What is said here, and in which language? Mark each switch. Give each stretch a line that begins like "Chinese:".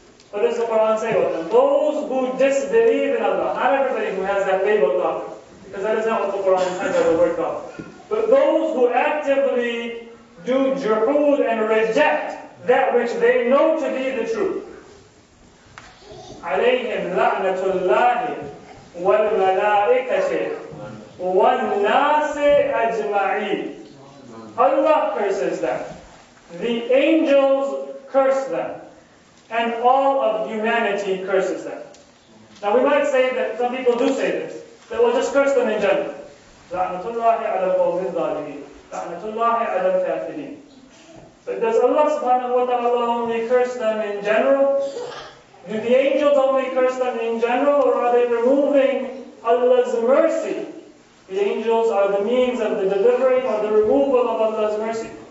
English: What does the Qur'an say about them? Those who disbelieve in Allah. Not everybody who has that label, God. Because that is not what the Qur'an intends of the word God. But those who actively do juhud and reject that which they know to be the truth.
Arabic: عليهم لعنة الله والملائكة والناس أجمعين.
English: Allah curses them. The angels curse them. And all of humanity curses them. Now we might say that some people do say this, that we'll just curse them in general.
Arabic: لعنة الله على القوم الظالمين. لعنة الله على الكافرين.
English: But does Allah subhanahu wa ta'ala only curse them in general? Do the angels only curse them in general, or are they removing Allah's mercy? The angels are the means of the delivering or the removal of Allah's mercy.